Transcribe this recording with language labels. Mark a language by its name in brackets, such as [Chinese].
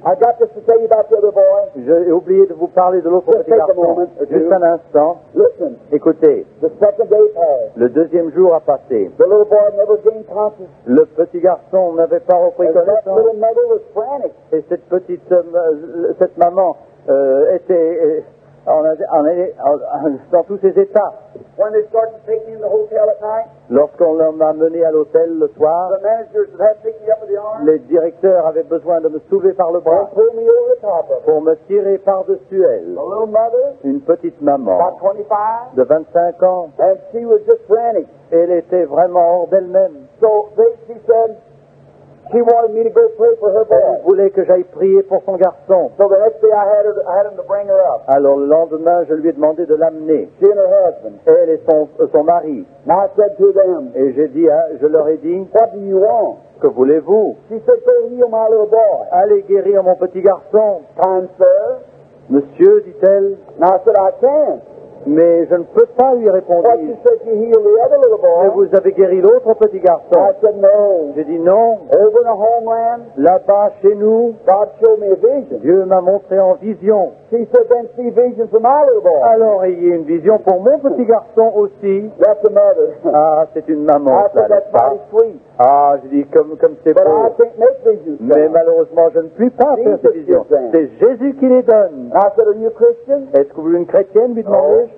[English] I got this to tell you about the other boy. [French] J'ai oublié de vous parler de l'autre petit garçon. Juste un instant. [English] Listen. [French] Écoutez. [English] The second day passed. [French] Le deuxième jour a passé. [English] The little boy never gained consciousness. [French] Le petit garçon n'avait pas repris connaissance. Et cette petite, cette maman était dans tous ses états. [English] When they started to take me in the hotel at night, [French] lorsqu'on m'a mené à l'hôtel le soir, [English] the managers had picked me up with the arm, [French] les directeurs avaient besoin de me soulever par le bras [English] pull me over the top of [French] pour me tirer par-dessus elle. [English] A little mother, [French] une petite maman [English] about 25, [French] de 25 ans, [English] and she was just frantic. [French] Elle était vraiment hors d'elle-même. [English] So they, she said, she wanted me to go pray for her boy. [French] Elle voulait que j'aille prier pour son garçon. [English] So the next day I had him to bring her up. [French] Alors le lendemain, je lui ai demandé de l'amener. [English] She and her husband. [French] Elle et son mari. [English] And I said to them. [French] Et je leur ai dit. [English] What do you want? [French] Que voulez-vous? [English] She said, go heal my little boy. [French] Allez guérir mon petit garçon. [English] Time, sir. [French] Monsieur, dit-elle. [English] And I said, I can't. [French] Mais je ne peux pas lui répondre. [English] But you said you healed the other little boy. [French] Mais vous avez guéri l'autre petit garçon. [English] I said no. [French] J'ai dit non. [English] Over in the homeland. [French] Là-bas, chez nous. [English] God showed me a vision. [French] Dieu m'a montré en vision. [English] He said then see visions for my little boy. [French] Alors ayez une vision pour mon petit garçon aussi. [English] That's a mother. [French] Ah, c'est une maman. [English] I said that's mighty sweet. [French] Ah, j'ai dit comme c'est [English] but [French] beau. [English] I can't make visions. [French] Mais malheureusement, je ne puis pas [English] Jesus [French] faire ces visions. C'est Jésus qui les donne. [English] I said, are you a Christian? [French] Est-ce que vous êtes une chrétienne, lui demandez-je?